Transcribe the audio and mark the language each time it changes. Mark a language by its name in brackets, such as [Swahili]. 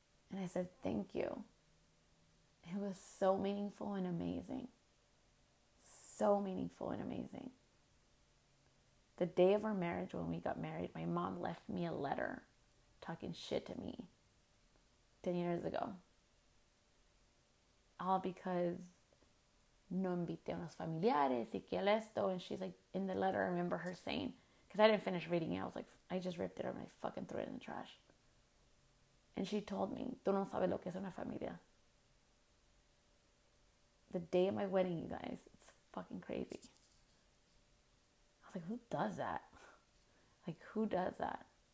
[English] And I said, thank you. It was so meaningful and amazing. So meaningful and amazing. The day of our marriage, when we got married, my mom left me a letter talking shit to me 10 years ago. All because [Spanish] no invité unos familiares y que esto. [English] And she's like, in the letter, I remember her saying, because I didn't finish reading it. I was like, I just ripped it up and I fucking threw it in the trash. And she told me, [Spanish] tú no sabes lo que es una familia. [English] The day of my wedding, you guys, it's fucking crazy. I was like, who does that? Like, who does that?